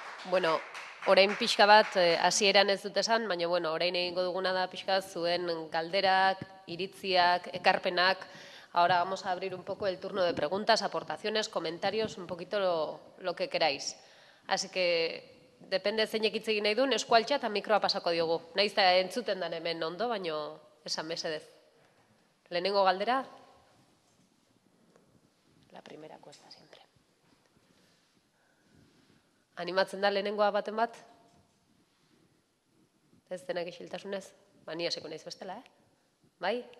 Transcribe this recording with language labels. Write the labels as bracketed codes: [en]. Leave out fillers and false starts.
[eu] Bueno, orain pixka bat hasieran ez dut esan, baina bueno, orain egingo duguna da pixka zuen galderak, iritziak, ekarpenak. [es] Ahora vamos a abrir un poco el turno de preguntas, aportaciones, comentarios, un poquito lo que queráis. Así que depende [eu] zeinek hitz egin nahi duen, eskualtza eta mikroa pasako diogu. Naiz da entzuten dan hemen ondo, baina esan mesedez. Lehenengo galdera. [es] La primera cuesta siempre. [eu] Animatzen da lehenengoa baten bat? Ez denak isiltasunez? Ba, ni hasiko naiz bestela, eh? Bai?